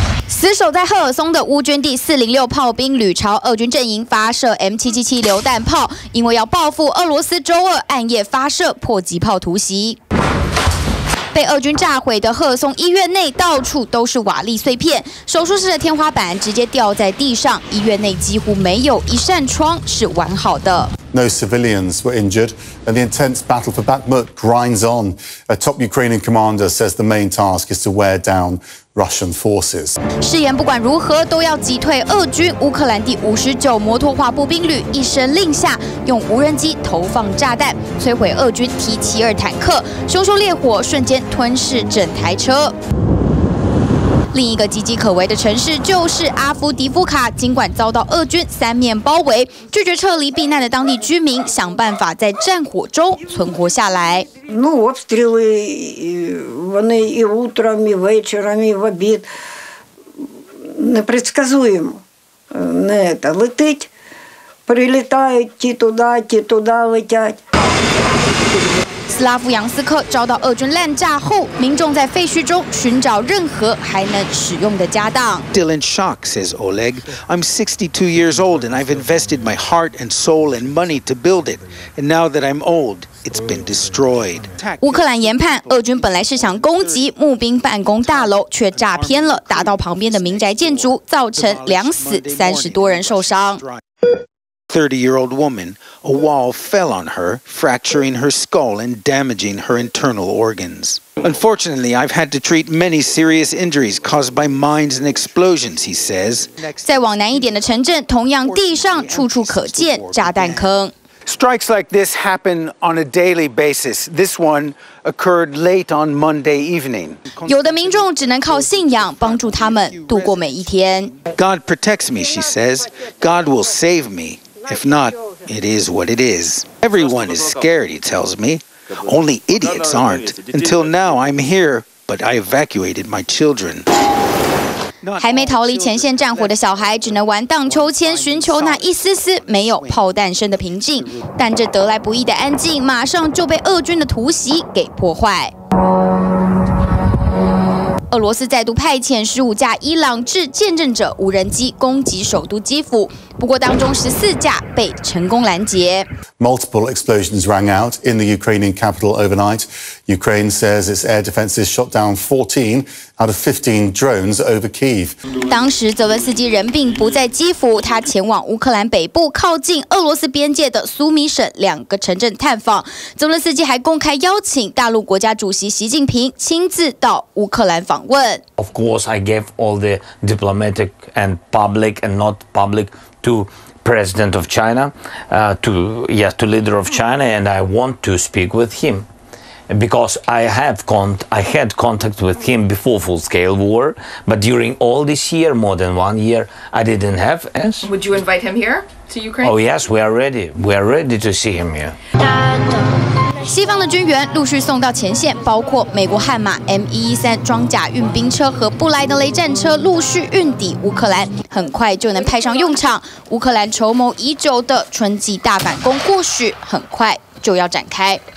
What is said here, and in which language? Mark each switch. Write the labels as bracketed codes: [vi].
[zh] 死守在赫尔松的乌军第406炮兵旅朝俄军阵营发射 M777 榴弹炮，因为要报复俄罗斯周二暗夜发射迫击炮突袭。被俄军炸毁的赫尔松医院内到处都是瓦砾碎片，手术室的天花板直接掉在地上，医院内几乎没有一扇窗是完好的。 [en] No civilians were injured, and the intense battle for Bakhmut grinds on. A top Ukrainian commander says the main task is to wear down Russian forces. [zh] 誓言不管如何都要击退俄军。乌克兰第59摩托化步兵旅一声令下，用无人机投放炸弹，摧毁俄军 T72 坦克，熊熊烈火瞬间吞噬整台车。另一个岌岌可危的城市就是阿夫迪夫卡，尽管遭到俄军三面包围，拒绝撤离避难的当地居民想办法在战火中存活下来。 [uk] Ну, обстріли вони і утром, і вечором, і в обід. Непредсказуємо. Не та летить, прилітають ті туди, ті туди летять. [zh] 斯拉夫扬斯克遭到俄军滥炸后，民众在废墟中寻找任何还能使用的家当。 [en] Still in shock, says Oleg. I'm 62 years old and I've invested my heart and soul and money to build it. And now that I'm old, it's been destroyed. [zh] 乌克兰研判，俄军本来是想攻击募兵办公大楼，却炸偏了，打到旁边的民宅建筑，造成2死30多人受伤。 [en] 30-year-old woman, a wall fell on her, fracturing her skull and damaging her internal organs. Unfortunately, I've had to treat many serious injuries caused by mines and explosions, he says. [zh] 再往南一点的城镇，同样地上处处可见炸弹坑。 [en] Strikes like this happen on a daily basis. This one occurred late on Monday evening. [zh] 有的民众只能靠信仰帮助他们度过每一天。 [en] God protects me, she says. God will save me. If not, it is what it is. Everyone is scared, he tells me. Only idiots aren't. Until now, I'm here, but I evacuated my children. [zh] 还没逃离前线战火的小孩只能玩荡秋千，寻求那一丝丝没有炮弹声的平静。但这得来不易的安静马上就被俄军的突袭给破坏。俄罗斯再度派遣15架伊朗制见证者无人机攻击首都基辅，不过当中14架被成功拦截。 [en] Multiple explosions rang out in the Ukrainian capital overnight. Ukraine says its air defenses shot down 14 out of 15 drones over Kyiv. [zh] 当时泽文斯基人并不在基辅，他前往乌克兰北部靠近俄罗斯边界的苏米省两个城镇探访。泽文斯基还公开邀请大陆国家主席习近平亲自到乌克兰访问。 [en] Of course, I gave all the diplomatic and public and not public. To President of China, to leader of China, and I want to speak with him, because I had contact with him before full scale war, but during all this year, more than 1 year, I didn't have. Yes. Would you invite him here to Ukraine? Oh yes, we are ready. We are ready to see him here. [zh] 西方的军援陆续送到前线，包括美国悍马 M113 装甲运兵车和布莱德雷战车陆续运抵乌克兰，很快就能派上用场。乌克兰筹谋已久的春季大反攻或许很快就要展开。